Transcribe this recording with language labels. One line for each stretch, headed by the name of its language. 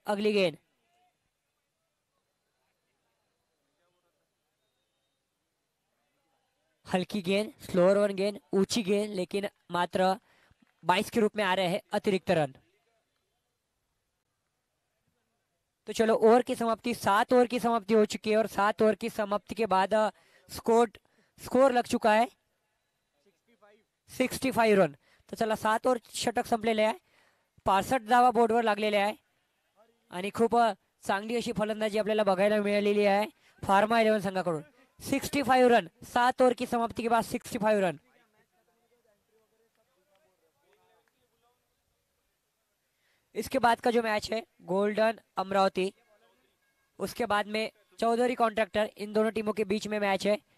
Hindi: अगली गेंद हल्की गेंद, स्लोअर वन गेंद, ऊंची गेंद, लेकिन मात्र 22 के रूप में आ रहे हैं अतिरिक्त रन। तो चलो ओवर की समाप्ति, 7 ओवर की समाप्ति हो चुकी है और 7 ओवर की समाप्ति के बाद स्कोर लग चुका है 65 रन।
Marathi: तो चला 7 ओवर षटक संपलेले आहे, 65 धावा बोर्ड वर लागलेले आहे आणि खूप चांगली अशी फलंदाजी आपल्याला बघायला मिळालेली आहे फार्मा 11 संघाकडून।
Hindi: 65 रन 7 ओवर की समाप्ति के बाद 65 रन। इसके बाद का जो मैच है गोल्डन अमरावती, उसके बाद में चौधरी कॉन्ट्रैक्टर, इन दोनों टीमों के बीच में मैच है।